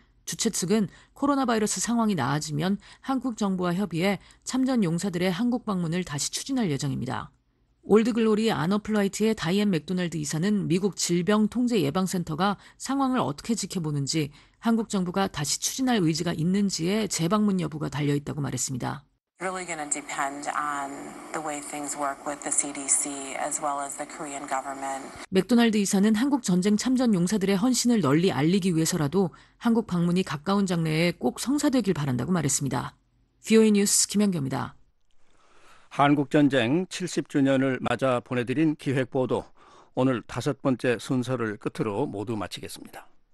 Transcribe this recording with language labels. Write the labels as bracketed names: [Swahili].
[Korean] 주최 측은 코로나 바이러스 상황이 나아지면 한국 정부와 협의해 참전 용사들의 한국 방문을 다시 추진할 예정입니다. 올드글로리 아너플라이트의 다이앤 맥도날드 이사는 미국 질병통제예방센터가 상황을 어떻게 지켜보는지 한국 정부가 다시 추진할 의지가 있는지에 재방문 여부가 달려있다고 말했습니다. [English] Really going to depend on the way things work with the CDC as well as the Korean government. [Korean] 맥도날드 이사는 한국 전쟁 참전 용사들의 헌신을 널리 알리기 위해서라도 한국 방문이 가까운 장래에 꼭 성사되길 바란다고 말했습니다. VOA 뉴스 김연경입니다. 한국전쟁 70주년을 맞아 보내드린 기획보도, 오늘 다섯 번째 순서를 끝으로 모두 마치겠습니다.